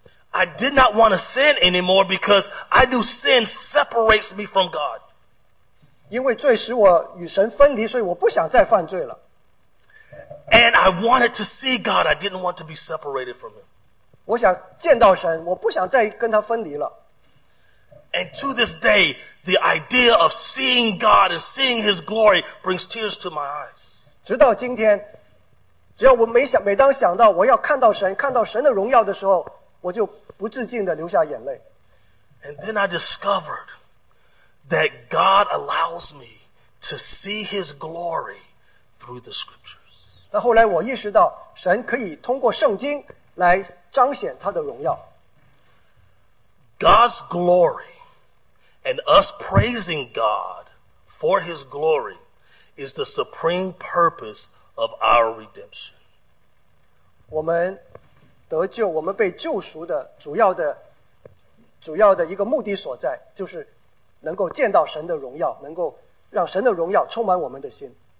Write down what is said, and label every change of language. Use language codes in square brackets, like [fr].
[en] I did not want to sin anymore because I knew sin separates me from God. [zh] 因为罪使我与神分离，所以我不想再犯罪了。And [en] I wanted to see God. I didn't want to be separated from Him. [zh] 我想见到神，我不想再跟他分离了。And [en] to this day, the idea of seeing God and seeing His glory brings tears to my eyes. [zh] 直到今天, 只要我每当想到我要看到神，看到神的荣耀的时候，我就不自禁的流下眼泪。 [en] And then I discovered that God allows me to see His glory through the Scriptures. [zh] 那后来我意识到，神可以通过圣经来彰显他的荣耀。 [en] God's glory and us praising God for His glory is the supreme purpose of our redemption. [zh] 我们得救，我们被救赎的主要的一个目的所在，就是能够见到神的荣耀，能够让神的荣耀充满我们的心。